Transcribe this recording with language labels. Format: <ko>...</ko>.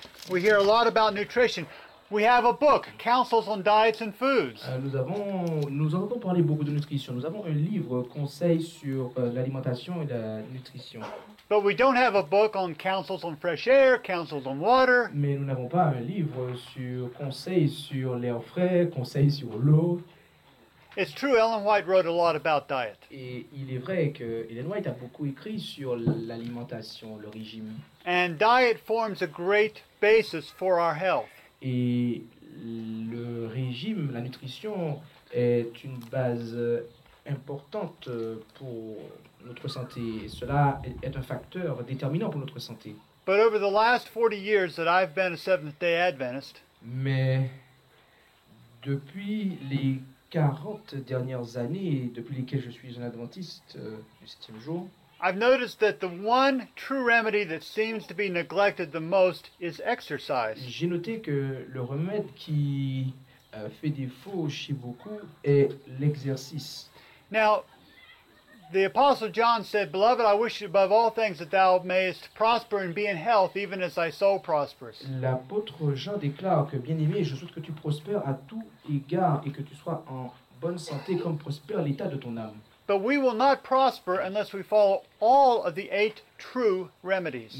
<en>We hear a lot about nutrition. We have a book, Counsels on Diets and Foods.</en> <fr>Nous entendons parler beaucoup de nutrition. Nous avons un livre, Conseils sur l'alimentation et la nutrition.</fr> <en>But we don't have a book on Counsels on Fresh Air, Counsels on Water.</en> <fr>Mais nous n'avons pas un livre sur Conseils sur l'air frais, Conseils sur l'eau.</fr> <en>It's true, Ellen White wrote a lot about diet.</en> <fr>Et il est vrai que Ellen White a beaucoup écrit sur l'alimentation, le régime.</fr> <en>And diet forms a great basis for our health.</en> <fr>Et le régime, la nutrition, est une base importante pour notre santé. Cela est un facteur déterminant pour notre santé.</fr> <en>But over the last 40 years that I've been a Seventh-day Adventist,</en> <fr>mais depuis les 40 dernières années, depuis lesquelles je suis un adventiste du septième jour,</fr> <en>I've noticed that the one true remedy that seems to be neglected the most is exercise.</en> <fr>J'ai noté que le remède qui fait défaut chez beaucoup est l'exercice.</fr> <en>Now, the Apostle John said, "Beloved, I wish above all things that thou mayest prosper and be in health, even as thy soul prospers."</en> <fr>L'apôtre Jean déclare que bien-aimé, je souhaite que tu prospères à tout égard et que tu sois en bonne santé comme prospère l'état de ton âme.</fr> <en>But we will not prosper unless we follow all of the eight true remedies.</en>